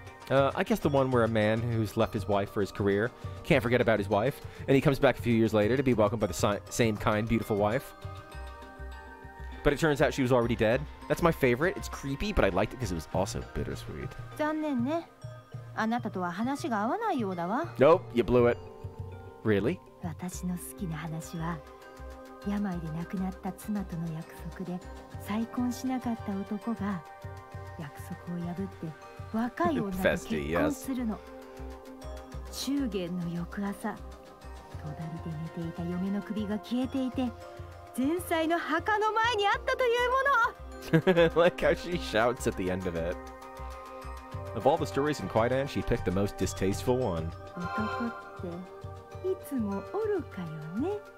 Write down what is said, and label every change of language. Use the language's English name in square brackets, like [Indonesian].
[English] I guess the one where a man who's left his wife for his career can't forget about his wife and he comes back a few years later to be welcomed by the same kind, beautiful wife. But it turns out she was already dead. That's my favorite. It's creepy, but I liked it because it was also bittersweet. [Japanese] 残念ね。あなたとは話が合わないようだわ。 [English] Nope, you blew it. Really? [Japanese] 私の好きな話は 病で亡くなった妻との約束で再婚しなかった男が約束を破って若い女と結婚するの。中元の翌朝、隣で寝ていた嫁の首が消えていて、前妻の墓の前にあったというもの。 [English] Like how she shouts at the end of it. Of all the stories in Kaidan, she picked the most distasteful one. [Japanese] 男っていつも愚かよね。